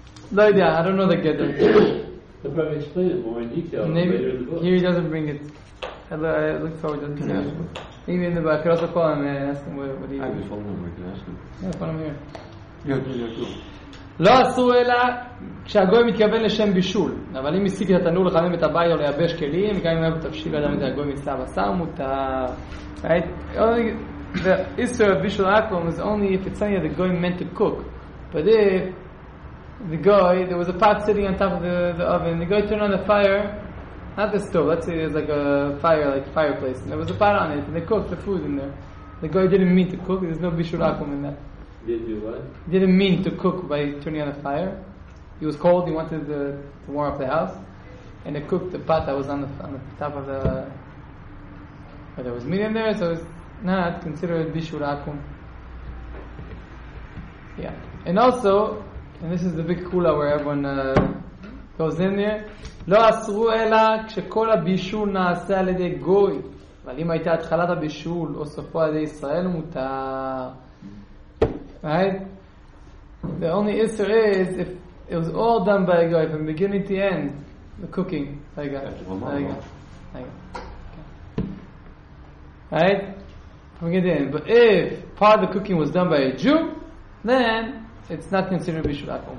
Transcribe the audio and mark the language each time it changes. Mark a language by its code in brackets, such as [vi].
[en] No idea, I don't know the ghetto. They'll probably explain it more in detail maybe later in the book. Here he doesn't bring it. I look forward to him. Maybe in the back. I could also call him and ask him what he. I have his phone number. I can ask him. Yeah, put him here. Yeah. [he] לא אסור אלא כשהגוי מתכוון לשם בישול. אבל אם הסיק את התנור לחמם את הבית או לייבש כלים, גם אם היה בתבשיל אדם את הגוי מצלע בשר מותר. [en] Right? The issue of visual outcome is only if it's something that the guy meant to cook. But if the guy, there was a pot sitting on top of the oven, the guy turned on the fire, not the stove, let's say there's like a fire, like a fireplace, and there was a pot on it, and they cooked the food in there. The guy didn't mean to cook, there's no bishurakum in that. Did you what? Didn't mean to cook by turning on the fire. It was cold, he wanted to warm up the house, and they cooked the pot that was on the top of the... But there was meat in there, so it's not considered bishurakum. Yeah. And also, and this is the big kula where everyone goes in there. [he] לא אסרו אלא כשכל הבישול נעשה על ידי גוי. אבל אם הייתה התחלת הבישול או סופו על ידי ישראל מותר. [en] Right? The only issue is if it was all done by a guy from beginning to end, the cooking. [he] רגע, רגע, רגע. [en] Right? From beginning to end. But if part of the cooking was done by a Jew, then it's not considered bishulakum.